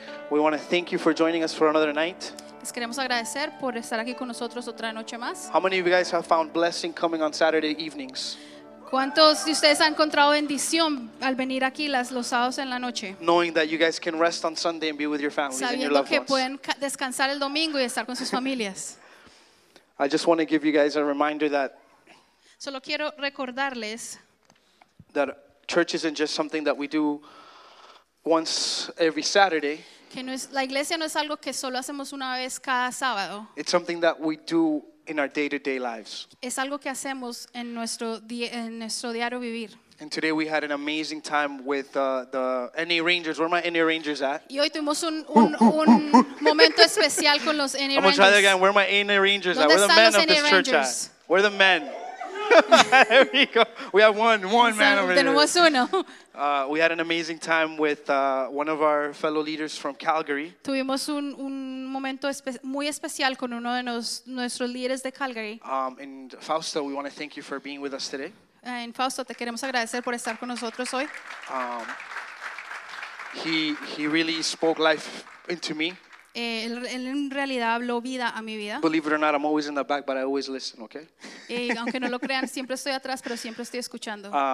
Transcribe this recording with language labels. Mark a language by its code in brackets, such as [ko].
[en] We want to thank you for joining us for another night. [es] Les queremos agradecer por estar aquí con nosotros otra noche más. [en] How many of you guys have found blessing coming on Saturday evenings? [es] ¿Cuántos de ustedes han encontrado bendición al venir aquí los sábados en la noche? [en] Knowing that you guys can rest on Sunday and be with your families and your loved ones. [es] Sabiendo que pueden descansar el domingo y estar con sus familias. [en] I just want to give you guys a reminder that [es] solo quiero recordarles [en] that church isn't just something that we do once every Saturday. [es] Que no es, la iglesia no es algo que solo hacemos una vez cada sábado. [en] It's something that we do in our day-to-day lives. [es] Es algo que hacemos en nuestro diario vivir. [en] And today we had an amazing time with the NA Rangers. Where are my NA Rangers at? [es] Y hoy tuvimos un momento especial con los NA Rangers. [en] I'm gonna try that again. Where are my NA Rangers at? Where are the men of this church at? Where are the men? There we go. We have one man over there. [es] Tenemos uno. [en] We had an amazing time with one of our fellow leaders from Calgary. [es] Tuvimos un momento muy especial con uno de nuestros líderes de Calgary. [en] And Fausto, we want to thank you for being with us today. [es] En Fausto, te queremos agradecer por estar con nosotros hoy. [en] He really spoke life into me. [es] Él en realidad habló vida a mi vida. [en] Believe it or not, I'm always in the back, but I always listen, okay? [es] Aunque no lo crean, siempre estoy atrás, pero siempre estoy escuchando.